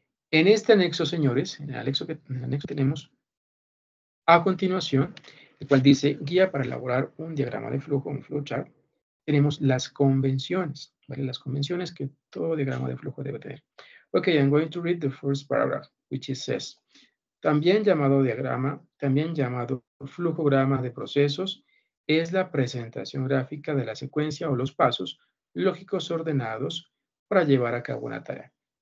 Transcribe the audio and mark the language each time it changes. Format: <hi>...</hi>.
<es>En este anexo, señores, en el anexo que tenemos a continuación, el cual dice guía para elaborar un diagrama de flujo, un flowchart, tenemos las convenciones, ¿vale? Las convenciones que todo diagrama de flujo debe tener.</es> <en>Ok, I'm going to read the first paragraph, which it says.</en> <es>También llamado diagrama, también llamado flujograma de procesos, es la presentación gráfica de la secuencia o los pasos lógicos ordenados para llevar a cabo una tarea.</es>